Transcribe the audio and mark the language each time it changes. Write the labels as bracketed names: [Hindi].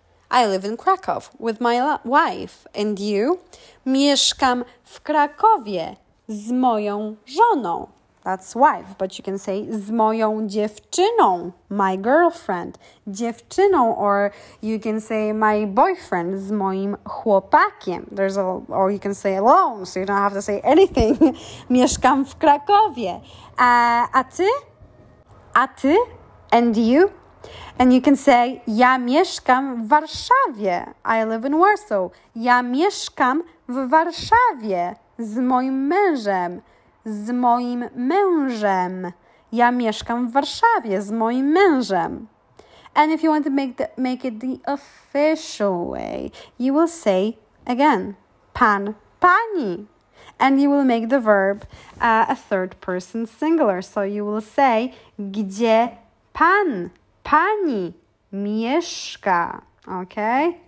[English] I live in Krakow with my wife. And you? [Polish] Mieszkam w Krakowie z moją żoną. [English] That's wife, but you can say [Polish] z moją dziewczyną, [English] my girlfriend, [Polish] dziewczyną, [English] or you can say my boyfriend, [Polish] z moim chłopakiem. [English] There's a, or you can say alone, so you don't have to say anything. [Polish] Mieszkam w Krakowie. A ty? A ty? [English] And you? And you can say [Polish] ja mieszkam w Warszawie. [English] I live in Warsaw. [Polish] Ja mieszkam w Warszawie z moim mężem. Z moim mężem. Ja mieszkam w Warszawie z moim mężem. [English] And if you want to make it the official way, you will say again, pan, pani. And you will make the verb a third person singular. So you will say, [Polish] gdzie pan, pani mieszka. [English] Okay?